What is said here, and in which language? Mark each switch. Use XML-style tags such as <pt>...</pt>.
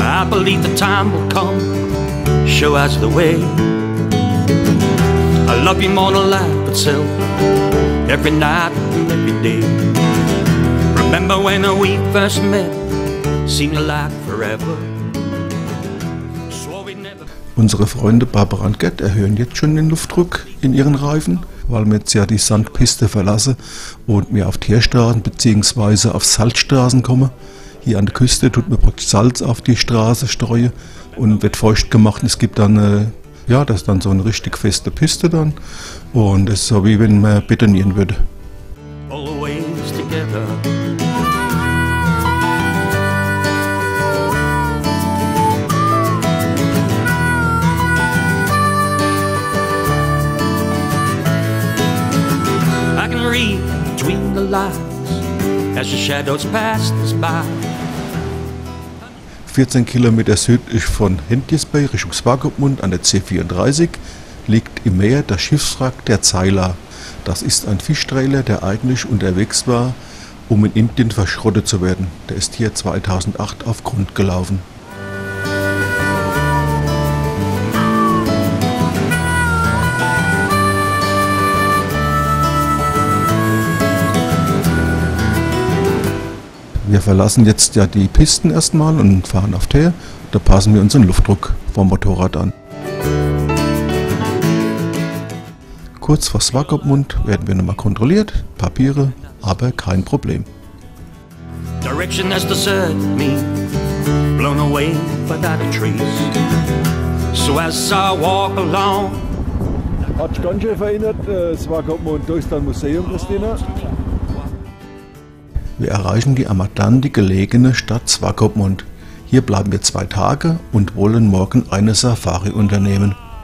<en>Believe the time will come, show us the way. I love you more than life itself, every night and every day. Remember when we first met, seemed like forever.</en> <de>Unsere Freunde Barbara und Gerd erhöhen jetzt schon den Luftdruck in ihren Reifen, weil wir jetzt ja die Sandpiste verlassen und wir auf Teerstraßen bzw. auf Salzstraßen kommen. Hier an der Küste tut man praktisch Salz auf die Straße streuen und wird feucht gemacht. Es gibt dann, das ist dann so eine richtig feste Piste dann. Und es ist so, wie wenn man betonieren würde.</de> <en>Always together. I can read between the lines as the shadows pass us by.</en> <de>14 Kilometer südlich von Hentjes Bay Richtung Swakopmund an der C34 liegt im Meer das Schiffswrack der Zeila. Das ist ein Fischtrailer, der eigentlich unterwegs war, um in Indien verschrottet zu werden. Der ist hier 2008 auf Grund gelaufen. Wir verlassen jetzt ja die Pisten erstmal und fahren auf Teer. Da passen wir unseren Luftdruck vom Motorrad an. Kurz vor Swakopmund werden wir nochmal kontrolliert. Papiere, aber kein Problem.</de> <en>Direction has deserted me, blown away by that trees. So as I walk along.</en> <de>Hat ganz schön verändert, Swakopmund durch dein Museum, Christina. Wir erreichen die am Atlantik gelegene Stadt Swakopmund. Hier bleiben wir zwei Tage und wollen morgen eine Safari unternehmen.</de>